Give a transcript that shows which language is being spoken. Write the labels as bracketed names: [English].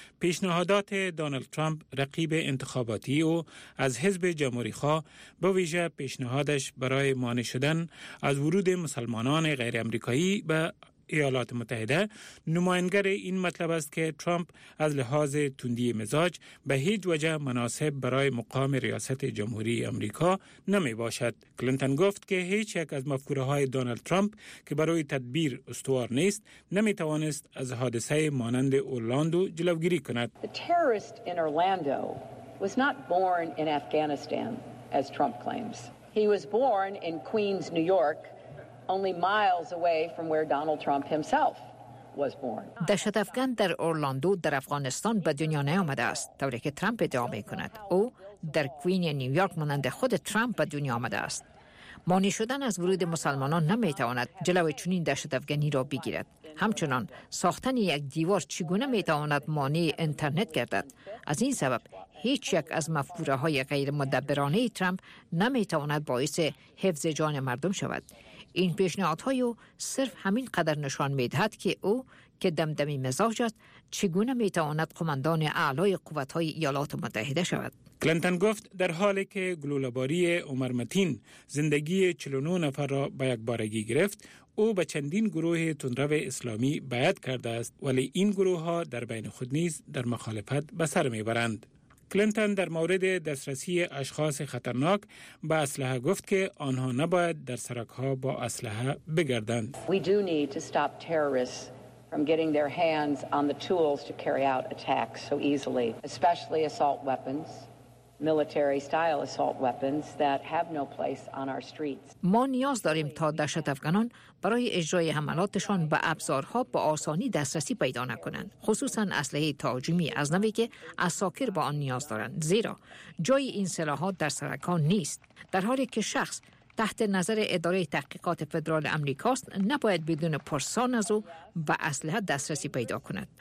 [Persian] پیشنهادات دونالد ترامپ رقیب انتخاباتی او از حزب جمهوری خواه به ویژه پیشنهادش برای مانع شدن از ورود مسلمانان غیر امریکایی به ایالات متحده نماینگر این مطلب است که ترامپ از لحاظ تندی مزاج به هیچ وجه مناسب برای مقام ریاست جمهوری آمریکا نمی باشد. کلینتون گفت که هیچ یک از مفکوره های دونالد ترامپ که برای تدبیر استوار نیست نمی توانست از حادثه مانند اورلاندو جلوگیری کند. [English] The terrorist in Orlando was not born in Afghanistan as Trump claims. He was born in Queens, New York. Only miles away from where Donald Trump himself was born. [Persian] دهشت افغان در اورلاندو در افغانستان به دنیا نیامده است، طوری که ترامپ ادعا می کند. او در کوین نیویورک مانند خود ترامپ به دنیا آمده است. مانع شدن از ورود مسلمانان نمی تواند جلوی چنین دهشت افغانی را بگیرد. همچنان ساختن یک دیوار چگونه می تواند مانع اینترنت گردد؟ از این سبب هیچ یک از مفکوره های غیر مدبرانه ترامپ نمی تواند باعث حفظ جان مردم شود. این پیشنهادهای او صرف همین قدر نشان می‌دهد که او که دمدمی مزاج است چگونه می‌تواند قماندان اعلای قوت‌های ایالات متحده شود. کلینتون گفت در حالی که گلوله‌باری عمر متین زندگی 49 نفر را به یک بارگی گرفت، او به چندین گروه تندرو اسلامی بیعت کرده است، ولی این گروه‌ها در بین خود نیز در مخالفت به سر می‌برند. کلینتون در مورد دسترسی اشخاص خطرناک با اسلحه گفت که آنها نباید در سرک ها با اسلحه بگردند. [English] We do need to stop terrorists from getting their hands on the tools to carry out attacks so easily, especially assault weapons, military style assault weapons that have no place on our streets. [Persian] ما نیاز داریم تا دهشت افغانان برای اجرای حملاتشان به ابزارها به آسانی دسترسی پیدا نکنند، خصوصا اسلحه تهاجمی از نوعی که عساکر به آن نیاز دارند، زیرا جای این سلاح‌ها در سرکان نیست. در حالی که شخص تحت نظر اداره تحقیقات فدرال امریکاست، نباید بدون پرسان از او به اسلحه دسترسی پیدا کند.